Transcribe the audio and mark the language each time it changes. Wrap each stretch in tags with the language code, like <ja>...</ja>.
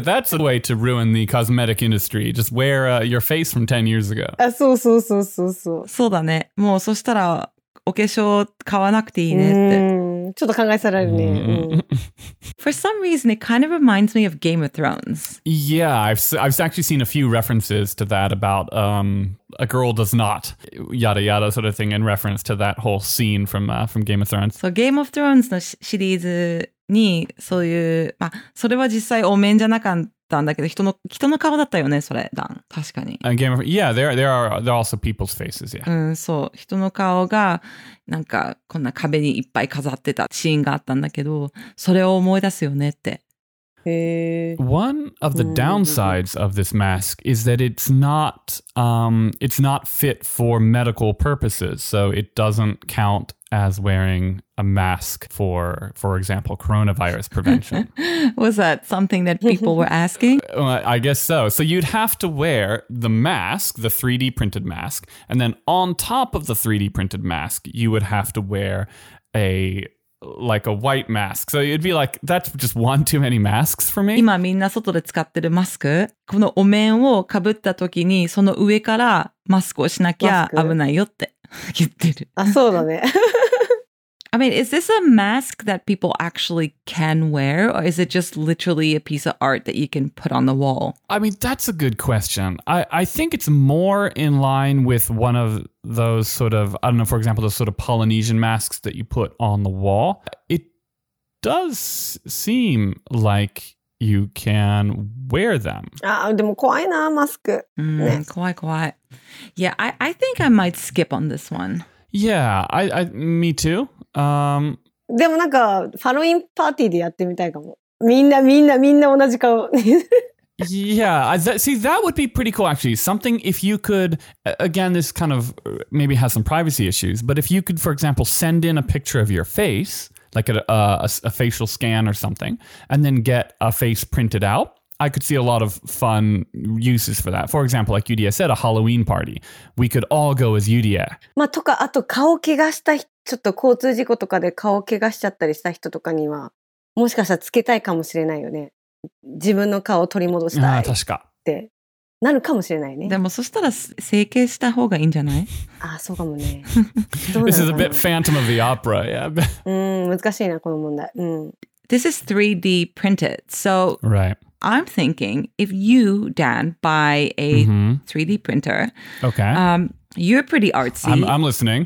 <en>That's a way to ruin the cosmetic industry. Just wear your face from 10 years ago.</en> <ja>あ、そうそうそうそうそう。そうだね。もうそしたらお化粧買わなくていいねって。ちょっと考えさられるね。</ja> <en>For some reason, it kind of reminds me of Game of Thrones. Yeah, I've actually seen a few references to that about a girl does not, yada yada sort of thing in reference to that whole scene from Game of Thrones.</en> <ja>So Game of Thrones のシリーズにそういう、まあ、それは実際お面じゃなかったんだけど、人の顔だったよね、それ、ダン。確かに。</ja> <en>Yeah, there are also people's faces, yeah.</en> <ja>うん、そう。人の顔が、なんか、こんな壁にいっぱい飾ってたシーンがあったんだけど、それを思い出すよねって。</ja> <en>One of the downsides of this mask is that it's not fit for medical purposes, so it doesn't count as wearing a mask for example, coronavirus prevention. Was that something that people were asking? Well, I guess so. So you'd have to wear the mask, the 3D printed mask, and then on top of the 3D printed mask, you would have to wear a... Like a white mask. So it'd be like, that's just one too many masks for me.</en> <ja>今みんな外で使ってるマスク、このお面をかぶった時にその上からマスクをしなきゃ危ないよって言ってる。あ、そうだね。</ja> <en>I mean, is this a mask that people actually can wear, or is it just literally a piece of art that you can put on the wall? I mean, that's a good question. I think it's more in line with one of those sort of, I don't know, for example, those sort of Polynesian masks that you put on the wall. It does seem like you can wear them.</en> <ja>Ah, でも怖いな、マスク。怖い、怖い。</ja> <en>Yeah, I think I might skip on this one. Yeah, I, me too.</en> <ja>でもなんか、ハロウィンパーティーでやってみたいかも。みんな、みんな、みんな同じ顔。</ja> <en>Yeah, that would be pretty cool, actually. Something if you could, again, this kind of maybe has some privacy issues, but if you could, for example, send in a picture of your face, like a facial scan or something, and then get a face printed out. I could see a lot of fun uses for that. For example, like Yudia said, a Halloween party. We could all go as Yudia.</en> <ja>まあ、とか、あと顔怪我した人、ちょっと交通事故とかで顔怪我しちゃったりした人とかには、もしかしたらつけたいかもしれないよね。自分の顔を取り戻したい。確か。ってなるかもしれないね。でもそしたら整形した方がいいんじゃない？ああ、そうかもね。</ja> <en>This is a bit Phantom of the Opera, yeah.</en> <ja>難しいな、この問題。</ja> <en>This is 3D printed, so... Right. I'm thinking if you, Dan, buy a 3D printer, okay. You're pretty artsy. I'm listening.</en>